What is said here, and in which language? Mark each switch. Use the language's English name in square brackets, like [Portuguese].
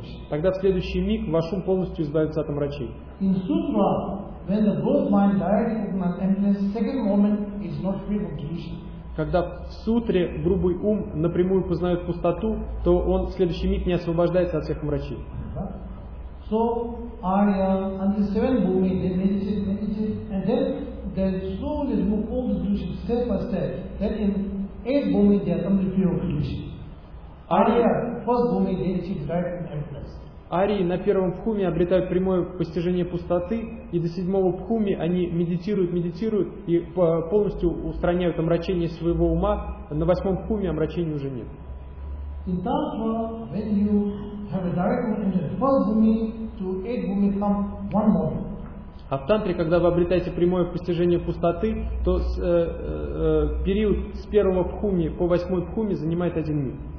[Russian] Тогда в следующий миг ваш ум полностью избавится от омрачений. [English] In sutra, when the both mind directly recognizes emptiness, second moment is not free from delusion. [Russian] Когда в сутре грубый ум напрямую познает пустоту, то он в следующий миг не освобождается от всех мрачей. [English] So, Arya and the seven bhumi, they meditate, and then they slowly remove all the delusions step by step. Then in eight bhumi, they are completely free of delusion. Arya, first bhumi, they achieve direct emptiness. [Russian] Арии на первом пхуме обретают прямое постижение пустоты, и до седьмого пхуми они медитируют и полностью устраняют омрачение своего ума. На восьмом пхуме омрачения уже нет. А в тантре, когда вы обретаете прямое постижение пустоты, то период с первого пхуми по восьмой пхуми занимает один миг.